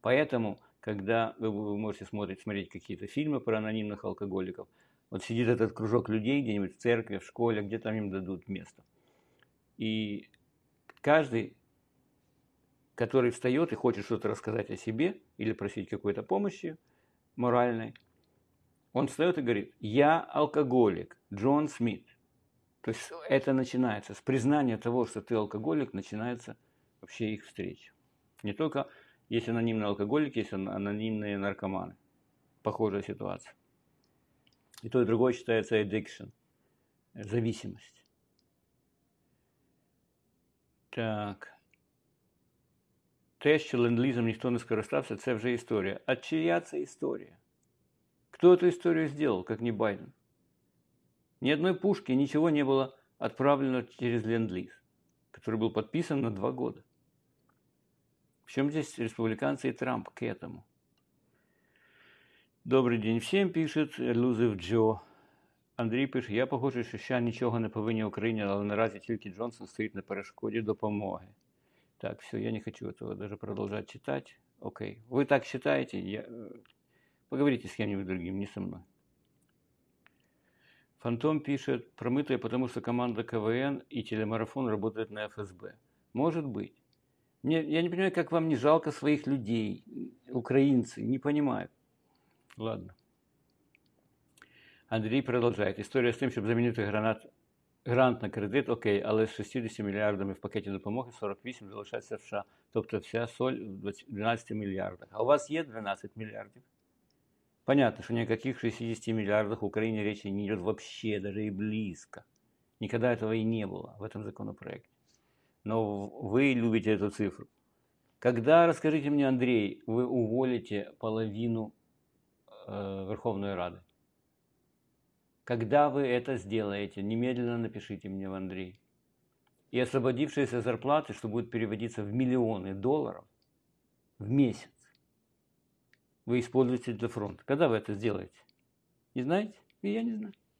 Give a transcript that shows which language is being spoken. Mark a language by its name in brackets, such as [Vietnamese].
[Ukrainian] Тому, коли ви можете [Russian] смотреть [Ukrainian] якісь фільми про анонімних алкоголіків, от сидить цей кружок людей [Russian] где-нибудь [Ukrainian] в церкві, в школі, де там їм дадуть місце. І кожен, [Russian] который встает и хочет что-то рассказать о себе или просить какой-то помощи моральной, он встает и говорит: «Я алкоголик, Джон Смит». То есть это начинается, с признания того, что ты алкоголик, начинается вообще их встреча. Не только есть анонимные алкоголики, есть анонимные наркоманы. Похожая ситуация. И то, и другое считается addiction, зависимость. Так. [Ukrainian] Те, що ленд-лізом ніхто не скористався, це вже історія. А чия це історія? Хто цю історію зробив, як не Байден? Ні одної пушки, нічого не було відправлено через ленд-ліз, який був підписаний на 2 роки. В чому тут республіканці і Трамп к цьому? Добрий день всім, пише Лузив Джо. Андрій пише: «Я похоже, що ще нічого не повинні Україні, але наразі тільки Джонсон стоїть на перешкоді допомоги». [Russian] Так, все, я не хочу этого даже продолжать читать. Окей. Вы так считаете? Поговорите с кем-нибудь другим, не со мной. Фантом пишет: «Промытые, потому что команда КВН и телемарафон работают на ФСБ». Может быть. Мне, я не понимаю, как вам не жалко своих людей, украинцы. Не понимаю. Ладно. [Ukrainian] Андрій продовжує. Історія з тим, щоб замінити грант на кредит, окей, але з 60 мільярдами в пакеті допомоги 48 залишається в США. Тобто вся соль в 12 мільярдах. А у вас є 12 мільярдів? Понятно, що ні о яких 60 мільярдах в Україні речі не йде взагалі, навіть і близько. Ніколи цього і не було в цьому законопроекті. Но ви любите цю цифру. [Russian] Когда, расскажите мне, Андрей, вы уволите половину Верховной Рады? Когда вы это сделаете? Немедленно напишите мне, Андрей. И освободившиеся зарплаты, что будут переводиться в миллионы долларов в месяц, вы используете для фронта. Когда вы это сделаете? Не знаете? И я не знаю.